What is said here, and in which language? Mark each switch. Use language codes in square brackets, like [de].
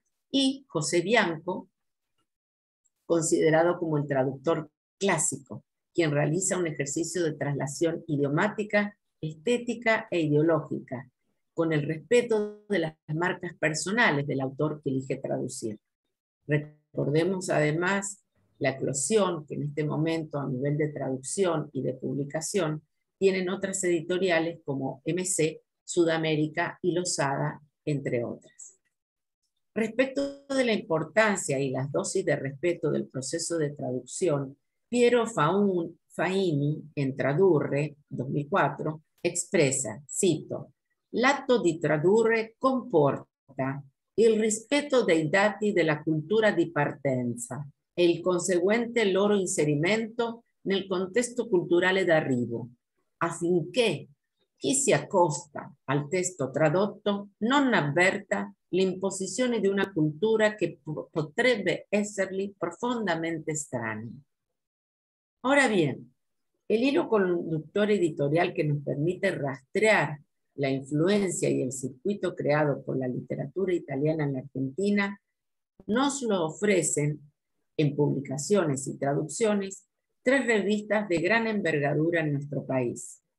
[es] Y José Bianco, considerado como el traductor clásico, quien realiza un ejercicio de traslación idiomática, estética e ideológica, con el respeto de las marcas personales del autor que elige traducir. Recordemos además la eclosión que en este momento a nivel de traducción y de publicación tienen otras editoriales como MC, Sudamérica y Losada, entre otras. Respecto de la importancia y las dosis de respeto del proceso de traducción, Piero Faini, en Tradurre, 2004, expresa, cito, [it] l'atto di tradurre comporta il rispetto dei dati della cultura di partenza e il conseguente loro inserimento nel contesto culturale d'arrivo, affinché chi si accosta al testo tradotto non avverta l'imposizione di una cultura che potrebbe essergli profondamente strana. [es] Ahora bien, el hilo conductor editorial que nos permite rastrear la influencia y el circuito creado por la literatura italiana en la Argentina nos lo ofrecen, en publicaciones y traducciones, tres revistas de gran envergadura en nuestro país.